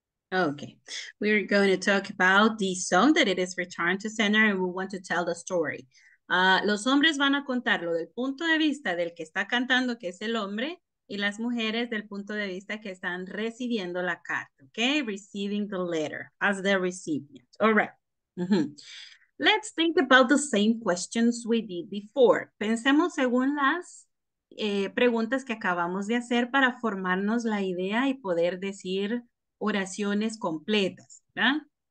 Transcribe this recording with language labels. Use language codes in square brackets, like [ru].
[en] Okay, we're going to talk about the song that it is returned to sender and we want to tell the story. [es] Los hombres van a contarlo del punto de vista del que está cantando, que es el hombre, y las mujeres del punto de vista que están recibiendo la carta, okay? [en] Receiving the letter as the recipient. All right. Mm-hmm. Let's think about the same questions we did before. [es] Pensemos según las preguntas que acabamos de hacer para formarnos la idea y poder decir oraciones completas, ¿verdad?